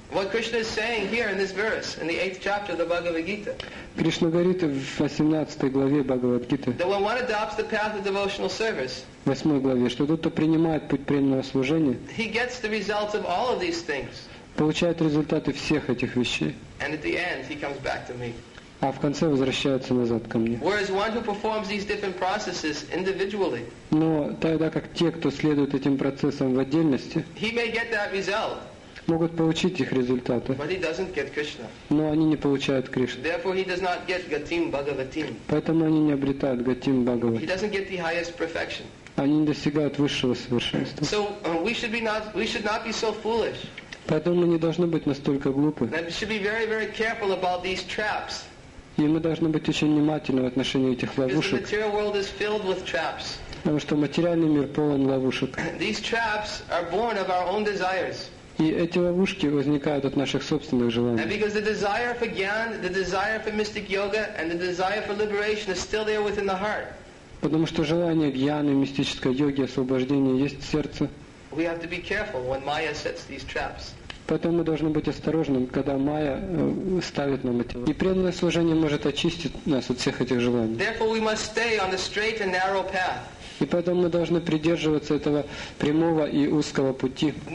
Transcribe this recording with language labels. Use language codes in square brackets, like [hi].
[en] What Krishna is saying here in this verse, in the 8th chapter of the Bhagavad Gita, [ru] Krishna говорит в 18 главе Бхагавад Гиты, [en] that when one adopts the path of devotional service, [ru] 8 главе, что тот, кто принимает путь преданного служения, [en] he gets the results of all of these things, [ru] получает результаты всех этих вещей, [en] and at the end he comes back to me, [ru] а в конце возвращается назад ко мне. [en] Whereas one who performs these different processes individually, [ru] но тогда как те, кто следует этим процессам в отдельности, [en] he may get that result, [ru] могут получить их результаты. [en] But he doesn't get Krishna. [ru] Но они не получают Кришну. [en] Therefore he does not get Gatim Bhagavatim. [ru] Поэтому они не обретают Gatim Bhagavatim. [en] He doesn't get the highest perfection. [ru] Они не достигают высшего совершенства. [en] So we should not be so foolish. [ru] Поэтому мы не должны быть настолько глупы. [en] We should be very, very careful about these traps. [ru] И мы должны быть очень внимательны в отношении этих ловушек. [en] Because the material world is filled with traps. [ru] Потому что материальный мир полон ловушек. [en] These traps are born of our own desires. [ru] И эти ловушки возникают от наших собственных желаний. [en] And because the desire for Gyan, the desire for mystic yoga, and the desire for liberation is still there within the heart. [ru] Потому что желание Гьяны, мистической йоги, освобождения есть в сердце. [en] We have to be careful when Maya sets these traps. [ru] Поэтому мы должны быть осторожным, когда Майя ставит нам эти ловушки. И преданное служение может очистить нас от всех этих желаний. [en] Therefore we must stay on the straight and narrow path. [ru] И поэтому мы должны придерживаться этого прямого и узкого пути.